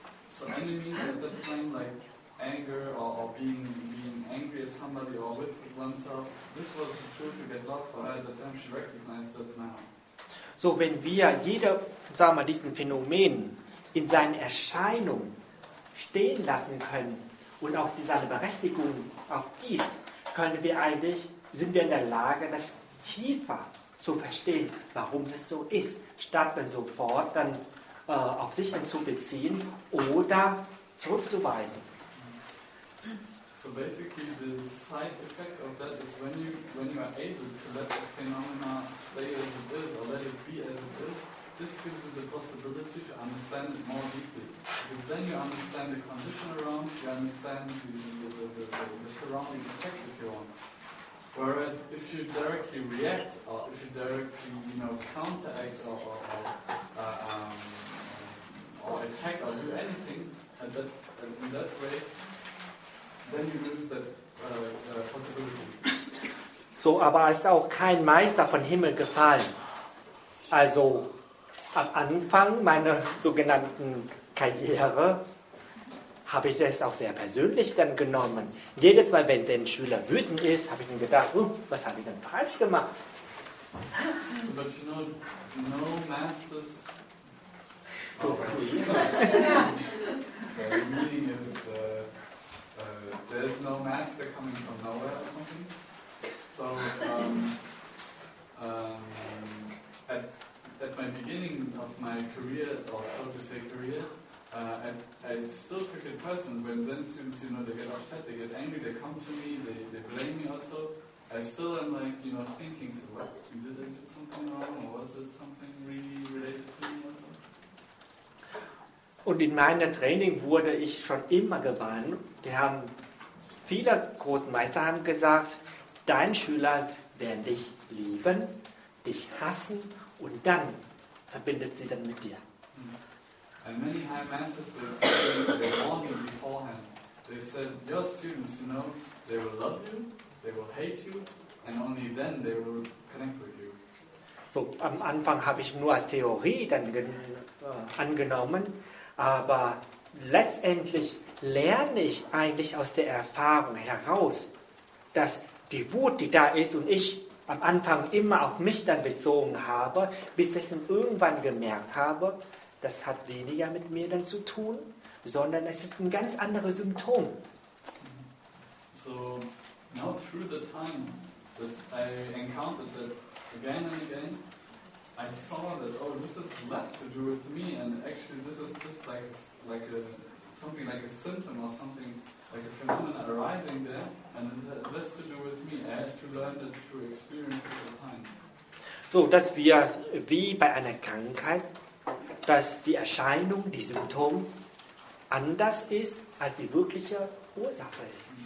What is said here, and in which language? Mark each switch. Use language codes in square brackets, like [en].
[en] So enemies at that time, like anger or being angry at somebody or with oneself, this was the tool to get love for her at that time. She recognized that now. [de] So wenn wir jeder, sagen wir mal, diesen Phänomen in seinen Erscheinungen stehen lassen können und auch seine Berechtigung auch gibt, können wir eigentlich, sind wir in der Lage, das tiefer zu verstehen, warum das so ist, statt dann sofort dann auf sich dann zu beziehen oder zurückzuweisen. [en] So basically the side effect of that is when you are able to let the phenomena stay as it is or let it be as it is, this gives you the possibility to understand it more deeply. Because then you understand the condition around, you understand the surrounding effects if you want. Whereas if you directly react, or if you directly, you know, counteract or attack or do anything in that way, then you lose that possibility. [de] So, aber es ist auch kein Meister von Himmel gefallen. Also, am Anfang meiner sogenannten Karriere habe ich das auch sehr persönlich dann genommen. Jedes Mal, wenn ein Schüler wütend ist, habe ich mir gedacht, was habe ich denn falsch gemacht? [en] So, but you know, no masters. The meaning is there's no master coming from nowhere or something. So at my beginning of my career, or so to say career, I still took it personal. When Zen students, you know, they get upset, they get angry, they come to me, they blame me also. I still am like, you know, thinking, so what, did I do something wrong, or was it something really related to me or something? [de] Und in meinem Training wurde ich schon immer gewarnt. Die haben, viele große Meister haben gesagt, dein Schüler werden dich lieben, dich hassen und dann verbindet sie dann mit dir. [en] And many high masters, they warned you beforehand. They said, your students, you know, they will love you, they will hate you and only then they will connect with you. [de] So, am Anfang habe ich nur als Theorie dann angenommen. Aber letztendlich lerne ich eigentlich aus der Erfahrung heraus, dass die Wut, die da ist und ich am Anfang immer auf mich dann bezogen habe, bis ich dann irgendwann gemerkt habe, das hat weniger mit mir dann zu tun, sondern es ist ein ganz anderes Symptom. [en] So, now through the time that I encountered that again and again, I saw that, oh, this is less to do with me, and actually this is just like something like a symptom or something, like a phenomenon arising there, and less to do with me. I have to learn it through experience at the time. [de] So, dass wir, wie bei einer Krankheit, dass die Erscheinung, die Symptom, anders ist, als die wirkliche Ursache ist.